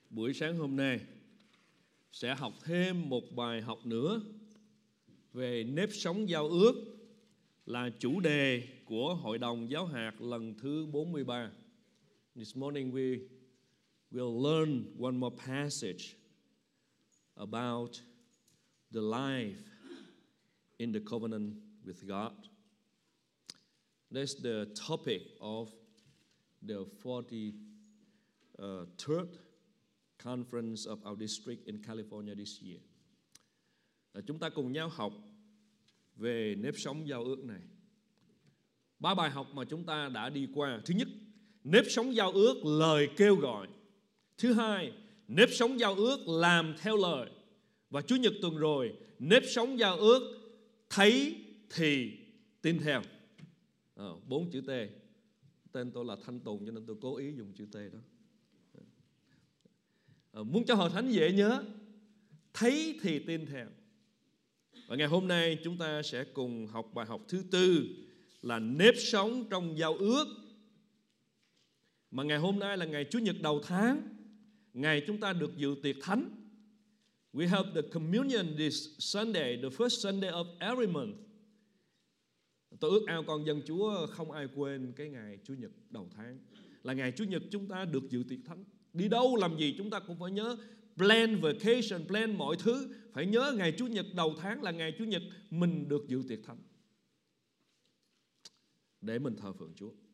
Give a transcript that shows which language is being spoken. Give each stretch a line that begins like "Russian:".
Vietnamese: buổi sáng hôm nay sẽ học thêm một bài học nữa về nếp sống giao ước, là chủ đề của Hội đồng Giáo hạt lần thứ 43.
English: This morning we will learn one more passage about the life in the covenant with God. That's the topic of the 43rd Conference of our district in California this year.
Vietnamese: Chúng ta cùng nhau học về nếp sống giao ước này. Ba bài học mà chúng ta đã đi qua. Thứ nhất, nếp sống giao ước lời kêu gọi. Thứ hai, nếp sống giao ước làm theo lời. Và Chủ nhật tuần rồi, nếp sống giao ước thấy thì tin theo. Bốn chữ T. Tên tôi là Thanh Tùng cho nên tôi cố ý dùng chữ T đó. Muốn cho hội thánh dễ nhớ, thấy thì tin theo. Và ngày hôm nay chúng ta sẽ cùng học bài học thứ tư là nếp sống trong giao ước. Mà ngày hôm nay là ngày Chủ nhật đầu tháng, ngày chúng ta được dự tiệc thánh.
English: We have the communion this Sunday, the first Sunday of every month.
Vietnamese: Tôi ước ao con dân Chúa không ai quên cái ngày Chủ nhật đầu tháng, là ngày Chủ nhật chúng ta được dự tiệc thánh. Đi đâu làm gì chúng ta cũng phải nhớ
English: plan vacation,
Vietnamese: plan mọi thứ. Phải nhớ ngày Chủ nhật đầu tháng là ngày Chủ nhật mình được dự tiệc thánh để mình thờ phượng Chúa.